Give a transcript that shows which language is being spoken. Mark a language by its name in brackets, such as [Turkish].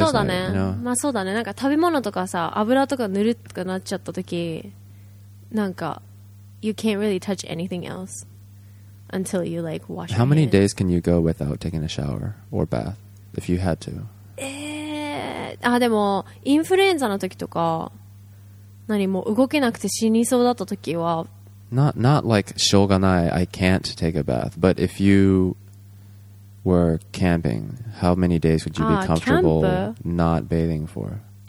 [Japanese] そうだね。まあそうだね。なんか食べ物とかさ、油とか塗るとかなっちゃった時、なんか [English] you can't really touch anything else until you like wash your hands. How many days can you go without taking a shower or bath if you had to? [Japanese] でもインフルエンザの時とか。何も動けなくて死にそうだった時は、 [English] not like [Japanese] しょうがない [English] I can't take a bath, but if you were camping, how many days would you be comfortable not bathing for?